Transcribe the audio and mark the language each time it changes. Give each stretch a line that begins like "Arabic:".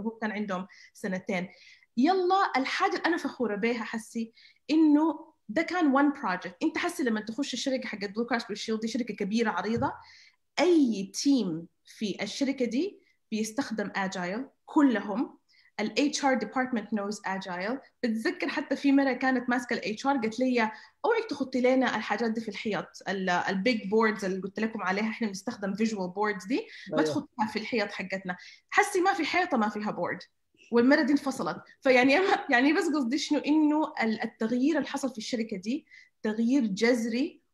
Arabic: هو كان عندهم سنتين. يلا الحاجة اللي أنا فخورة بيها حسي إنه ده كان
English: one project.
Arabic: أنت حسي لما تخش الشركة حقت Blue Cross Blue Shield دي شركة كبيرة عريضة، أي team في الشركة دي بيستخدم Agile كلهم.
English: ال HR department knows Agile.
Arabic: بتذكر حتى في مرة كانت ماسكة ال HR قلت لي أوعيك تخطي لنا الحاجات دي في الحيط، ال
English: big boards
Arabic: اللي قلت لكم عليها، إحنا بنستخدم
English: visual boards
Arabic: دي ما تخطيها في الحيط حقتنا. حسي ما في حيطة ما فيها board، والمرة دي انفصلت. فيعني يعني بس قصدي شنو، إنه التغيير اللي حصل في الشركة دي تغيير جذري.